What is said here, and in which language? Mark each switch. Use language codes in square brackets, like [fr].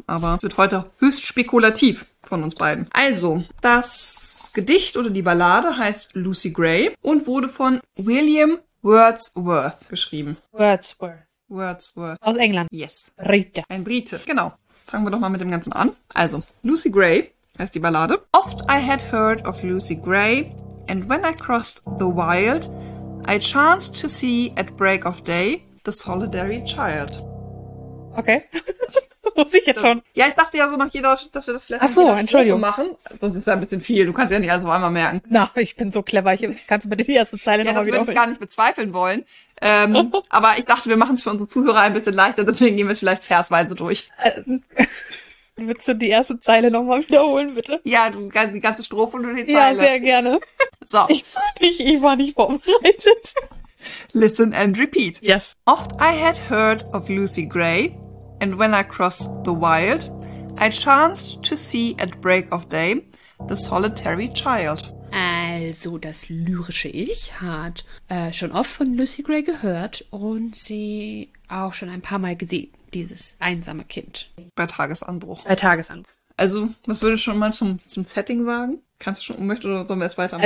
[de] Aber es wird heute höchst spekulativ von uns beiden. Also, das Gedicht oder die Ballade heißt Lucy Gray und wurde von William Wordsworth geschrieben. Wordsworth. Aus England. [en] Yes. [de] Brite. Ein Brite, genau. Fangen wir doch mal mit dem Ganzen an. Also, Lucy Gray heißt die Ballade. [en] Oft I had heard of Lucy Gray, and when I crossed the wild... I chanced to see at break of day the solitary child. [de] Okay. Muss ich jetzt schon? Ja, ich dachte ja so nach jeder, dass wir das vielleicht Ach so, Entschuldigung. Machen. Sonst ist es ja ein bisschen viel. Du kannst ja nicht alles auf einmal merken. Na, ich bin so clever. Kannst du bitte die erste Zeile nochmal wiederholen? Ja, das würde ich gar nicht bezweifeln wollen. aber ich dachte, wir machen es für unsere Zuhörer ein bisschen leichter. Deswegen gehen wir es vielleicht versweise durch. Willst du die erste Zeile nochmal wiederholen, bitte? Ja, die ganze Strophe und die Zeile. Ja, sehr gerne. So. Ich war nicht vorbereitet. [en] Listen and repeat. Yes. Oft I had heard of Lucy Gray, and when I crossed the wild, I chanced to see at break of day the solitary child. [de] Also, das lyrische Ich hat schon oft von Lucy Gray gehört und sie auch schon ein paar Mal gesehen. Dieses einsame Kind. Bei Tagesanbruch. Also, was würde schon mal zum Setting sagen? Kannst du schon möchtest oder sollen wir es weitermachen?